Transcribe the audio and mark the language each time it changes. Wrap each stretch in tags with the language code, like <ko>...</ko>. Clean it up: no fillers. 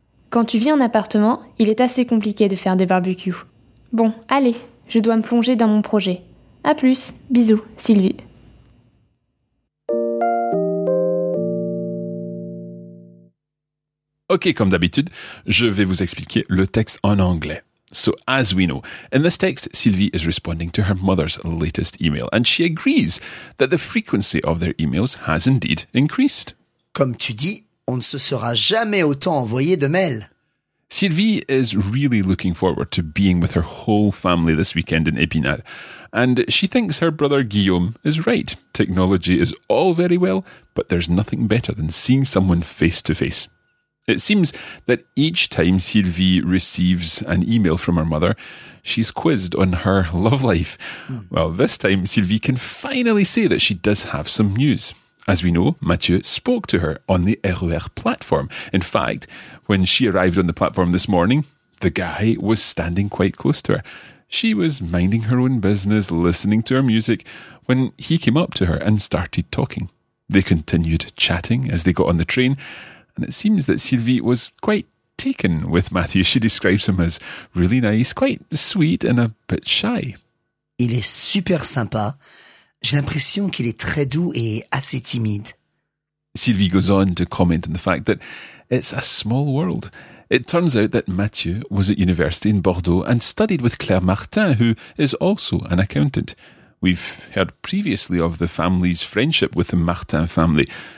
<fr>Quand tu vis en appartement, il est assez compliqué de faire des barbecues. Bon, allez, je dois me plonger dans mon projet. À plus. Bisous, Sylvie. Ok, comme d'habitude, je vais vous expliquer le texte en anglais.</fr> <en>So as we know, in this text, Sylvie is responding to her mother's latest email, and she agrees that the frequency of their emails has indeed increased.</en> <fr>Comme tu dis, on ne se sera jamais autant envoyé de mails.</fr> <en>Sylvie is really looking forward to being with her whole family this weekend in Épinal, and she thinks her brother Guillaume is right. Technology is all very well, but there's nothing better than seeing someone face to face. It seems that each time Sylvie receives an email from her mother, she's quizzed on her love life. Mm. Well, this time Sylvie can finally say that she does have some news. As we know, Mathieu spoke to her on the RER platform. In fact, when she arrived on the platform this morning, the guy was standing quite close to her. She was minding her own business, listening to her music, when he came up to her and started talking. They continued chatting as they got on the train. And it seems that Sylvie was quite taken with Mathieu. She describes him as really nice, quite sweet and a bit shy.</en> <fr>Il est super sympa. J'ai l'impression qu'il est très doux et assez timide.</fr> <en>Sylvie goes on to comment on the fact that it's a small world. It turns out that Mathieu was at university in Bordeaux and studied with Claire Martin, who is also an accountant. We've heard previously of the family's friendship with the Martin family.</en>